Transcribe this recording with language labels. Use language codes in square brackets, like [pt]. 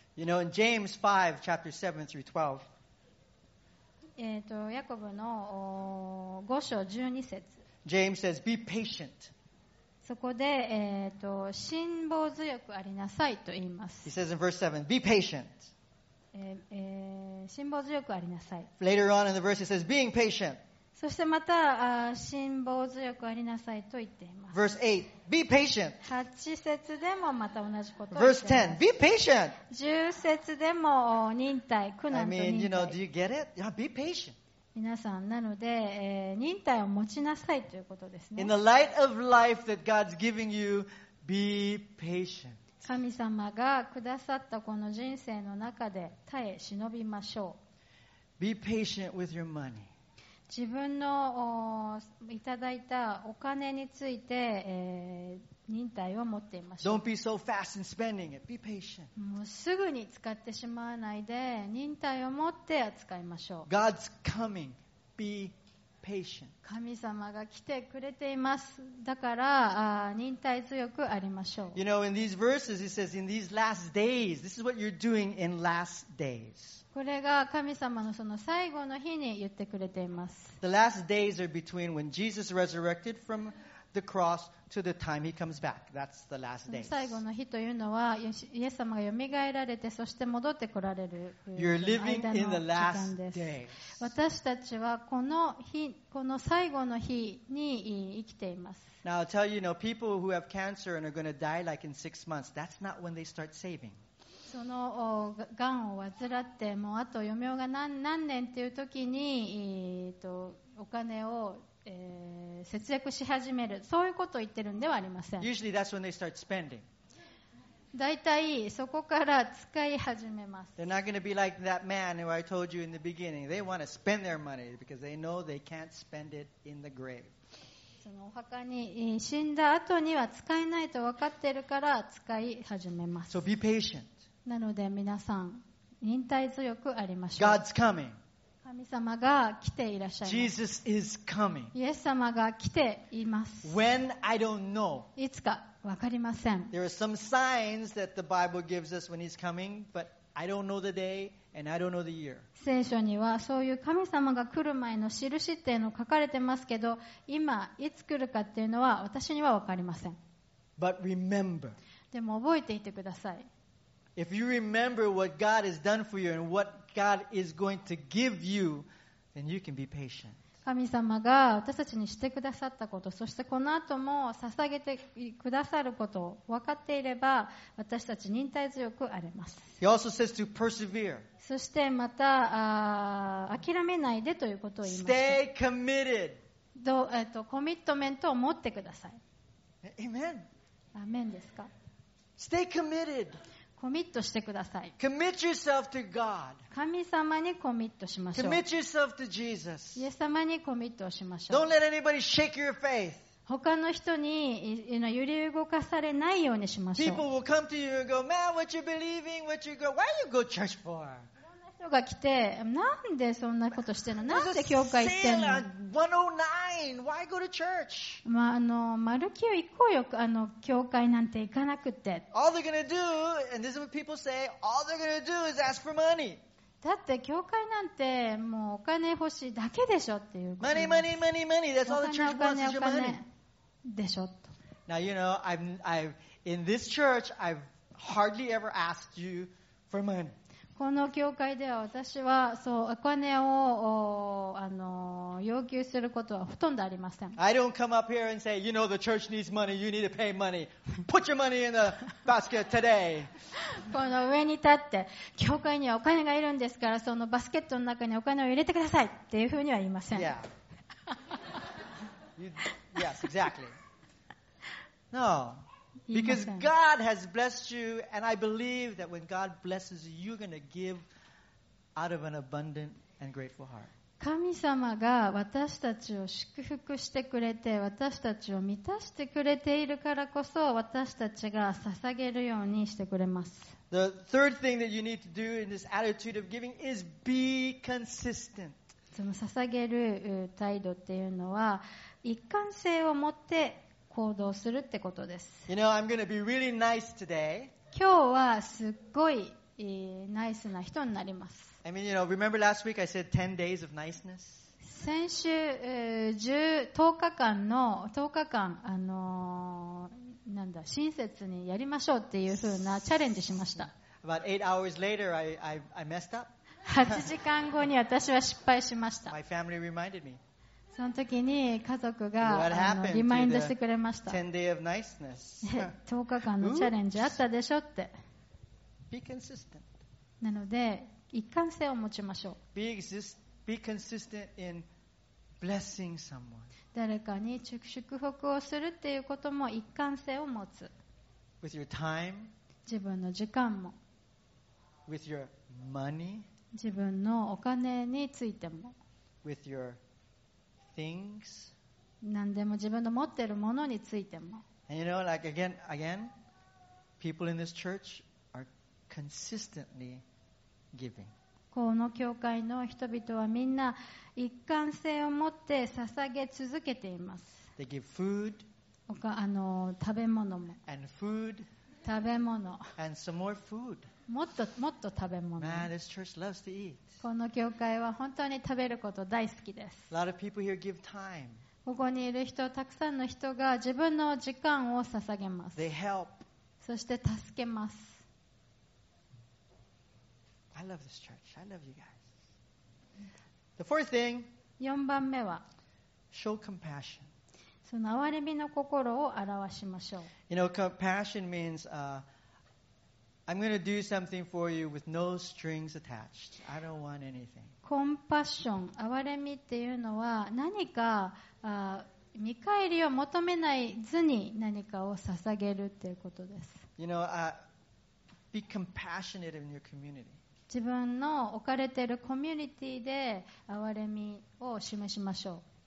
[en] You know, in James 5, chapter 7 through 12. [ja] ヤコブの5章12節。 [en] James says, "Be patient." [ja] そこで、辛抱強くありなさいと言います。 [en] He says in verse 7, "Be patient." [ja] 辛抱強くありなさい。 [en] Later on in the verse it says, being patient. [ja] そしてまた辛抱強くありなさいと言っています。 [en] Verse 8, be patient. [ja] 8節でもまた同じことを [en] Verse 10, be patient. [ja] 10節でも忍耐、苦難と忍耐。 [en] I mean, you know, do you get it? Yeah, be patient. [ja] 皆さんなので、忍耐を持ちなさいということですね。 [en] In the light of life that God's giving you, be patient. [ja] 神様がくださったこの人生の中で耐え忍びましょう。 [en] Be patient with your money. [ja] 自分のいただいたお金について、忍耐を持っていました。 [en] Don't be so fast in spending it. Be patient. [ja] もうすぐに使ってしまわないで、忍耐を持って扱いましょう。 [en] God's coming. Be patient. [ja] 神様が来てくれています。だから、忍耐強くありましょう。 [en] You know, in these verses, it says, in these last days, this is what you're doing in last days. [ja] これが神様のその最後の日に言ってくれています。 [en] The last days are between when Jesus resurrected from the cross to the time he comes back. That's the last days. [ja] 最後の日というのはイエス様がよみがえられてそして戻ってこられる間の時間です。 [en] You're living in the last days. [ja] 私たちはこの日、この最後の日に生きています。 [en] Now I'll tell you, you know, people who have cancer and are going to die like in six months, that's not when they start saving. [ja] そのがんを患ってもうあと余命が 何年という時に、お金を、節約し始めるそういうことを言ってるんではありません。 [en] Usually that's when they start spending. [ja] だいたいそこから使い始めます。 [en] They're not going to be like that man who I told you in the beginning. They want to spend their money because they know they can't spend it in the grave [ja] そのお墓に死んだ後には使えないと分かっているから使い始めます。 [en] So be patient. [ja] なので皆さん忍耐強くありましょう。 [en] God's coming. [ja] 神様が来ていらっしゃいます。 [en] Jesus is coming. [ja] イエス様が来ています。 [en] When? I don't know. [ja] いつか分かりません。 [en] There are some signs that the Bible gives us when he's coming, but I don't know the day and I don't know the year. [ja] 聖書にはそういう神様が来る前の印っていうのを書かれてますけど、今いつ来るかっていうのは私には分かりません。 [en] But remember. [ja] でも覚えていてください。 [en] If you remember what God has done for you and what God is going to give you, then you can be patient. [ja] 神様が私たちにしてくださったこと、そしてこの後も捧げてくださることを分かっていれば、私たち忍耐強くあれます。 [en] He also says to persevere. [ja] そしてまた、諦めないでということを言います。 [en] Stay committed. [ja] コミットメントを持ってください。 [en] Amen. [ja] アメンですか? [en] Stay committed. [ja] コミットしてください。 [en] Commit yourself to God. [ja] 神様にコミットしましょう。 [en] Commit yourself to Jesus. [ja] イエス様にコミットをしましょう。 [en] Don't let anybody shake your faith. [ja] 他の人に揺り動かされないようにしましょう。 [en] People will come to you and go, man, what you believing? What you go? Why you go church for? [ja] いろんな人が来て、なんでそんなことしてるの？なんで教会行ってるの？ [en] 109. Why go to church? [ja] まあ、マルキュー行こうよ、教会なんて行かなくて。 [en] All they're gonna do, and this is what people say, all they're gonna do is ask for money. [ja] だって教会なんてもうお金欲しいだけでしょっていう。 [en] Money, money, money, money. That's all the church wants is your money. [ja] でしょと。 [en] Now you know, I've in this church, I've hardly ever asked you for money. [ja] この教会では私はそうお金を要求することはほとんどありません。 [en] I don't come up here and say, you know, the church needs money, you need to pay money. Put your money in the basket today. [ja] この上に立って、教会にはお金がいるんですから、そのバスケットの中にお金を入れてくださいっていうふうには言いません。 [en] Yeah. Yes, exactly. No. Because God has blessed you, and I believe that when God blesses you, you're going to give out of an abundant and grateful heart. [ja] 神様が私たちを祝福してくれて、私たちを満たしてくれているからこそ、私たちが捧げるようにしてくれます。 [en] The third thing that you need to do in this attitude of giving is be consistent. [ja] その捧げる態度っていうのは、一貫性を持って、行動するってことです。 [en] You know, I'm gonna be really nice today. [ja] 今日はすっごいナイスな人になります。 [en] I mean, you know, remember last week I said 10 days of niceness? [ja] 先週、10日間、親切にやりましょうっていう風なチャレンジしました。 [en] About 8 hours later, I messed up. [ja] 8時間後に私は失敗しました。 [en] My family reminded me. [ja] その時に家族がリマインドしてくれました。 [en] 10 day of niceness. [ja] 10日間のチャレンジあったでしょって。 [en] Be consistent. [ja] なので、一貫性を持ちましょう。 [en] Be consistent in blessing someone. [ja] 誰かに祝福をするっていうことも一貫性を持つ。 [en] With your time. [ja] 自分の時間も。 [en] With your money. [ja] 自分のお金についても。 [en] With your things. [ja] 何でも自分の持っているものについても。 [en] And you know, like again, people in this church are consistently giving. [ja] この教会の人々はみんな一貫性を持って捧げ続けています。 [en] They give food, [ja] 食べ物も。 [en] And food, [ja] 食べ物。 [en] And some more food. [ja] もっと食べ物。 [en] Man, this church loves to eat. [ja] この教会は本当に食べること大好きです。 [en] A lot of people here give time. [ja] ここにいる人、たくさんの人が自分の時間を捧げます。 [en] They help. [ja] そして助けます。 [en] I love this church. I love you guys. The fourth thing. [ja] 四番目は [en] show compassion. [ja] その憐れみの心を表しましょう。 [en] You know, compassion means I'm going to do something for you with no strings attached. I don't want anything. [ja] コンパッション、憐れみっていうのは何か見返りを求めないずに何かを捧げるっていうことです。 [en] You know, be compassionate in your community. [ja] 自分の置かれているコミュニティで憐れみを示しましょう。